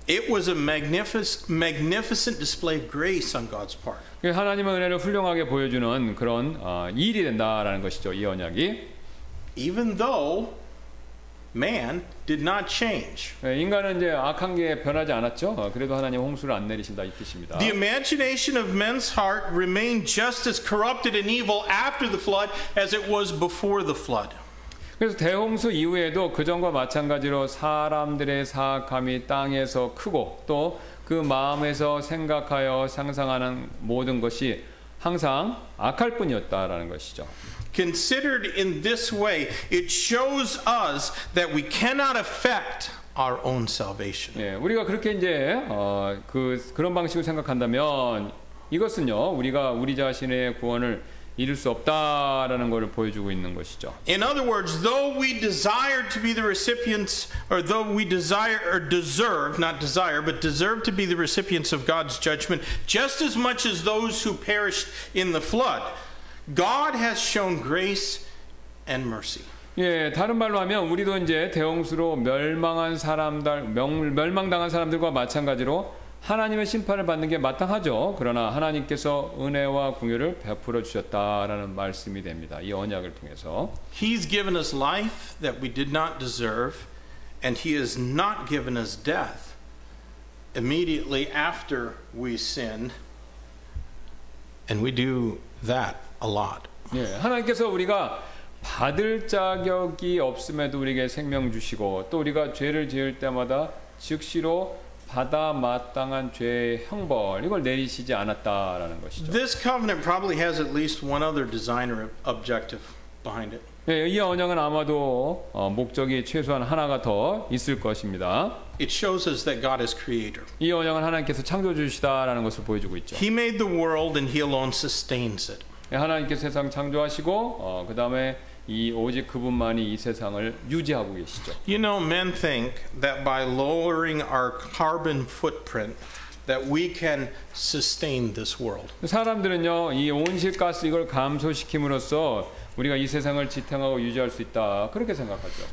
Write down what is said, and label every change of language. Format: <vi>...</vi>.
<en>It was a magnificent display of grace on God's part.</en> <ko>예, 하나님의 은혜를 훌륭하게 보여주는 그런 일이 된다라는 것이죠, 이 언약이.</ko> <en>Even though man did not change.</en> <ko>인간은 이제 악한 게 변하지 않았죠. 그래도 하나님 홍수를 안 내리신다 이 뜻입니다.</ko> <en>The imagination of men's heart remained just as corrupted and evil after the flood as it was before the flood.</en> <ko>그래서 대홍수 이후에도 그 전과 마찬가지로 사람들의 사악함이 땅에서 크고 또 그 마음에서 생각하여 상상하는 모든 것이 항상 악할 뿐이었다라는 것이죠.</ko> <en>Considered in this way, it shows us that we cannot affect our own salvation.</en> <ko>예, 우리가 그렇게 이제 그런 방식으로 생각한다면 이것은요, 우리가 우리 자신의 구원을 이룰 수 없다라는 것을 보여주고 있는 것이죠.</ko> <en>In other words, though we desire to be the recipients, or though we desire or deserve, not desire, but deserve to be the recipients of God's judgment, just as much as those who perished in the flood, God has shown grace and mercy.</en> <ko>예, 다른 말로 하면 우리도 이제 대홍수로 멸망한 사람들, 멸망당한 사람들과 마찬가지로 하나님의 심판을 받는 게 마땅하죠. 그러나 하나님께서 은혜와 긍휼을 베풀어 주셨다라는 말씀이 됩니다. 이 언약을 통해서.</ko> <en>He's given us life that we did not deserve, and he has not given us death immediately after we sin, and we do that a lot.</en> <ko>예, 하나님께서 우리가 받을 자격이 없음에도 우리에게 생명 주시고 또 우리가 죄를 지을 때마다 즉시로 받아 마땅한 죄의 형벌 이걸 내리시지 않았다라는 것이죠.</ko> <en>This covenant probably has at least one other design or objective behind it.</en> <ko>예, 이 언약은 아마도 목적이 최소한 하나가 더 있을 것입니다.</ko> <en>It shows us that God is creator.</en> <ko>이 언약은 하나님께서 창조주시다라는 것을 보여주고 있죠.</ko> <en>He made the world and he alone sustains it.</en> <ko>하나님께서 세상 창조하시고 그 다음에 이 오직 그분만이 이 세상을 유지하고 계시죠.</ko> <en>You know, men think that by lowering our carbon footprint that we can sustain this world.</en> <ko>사람들은요, 이 온실가스 이걸 감소시킴으로써 우리가 이 세상을 지탱하고 유지할 수 있다 그렇게 생각하죠.</ko>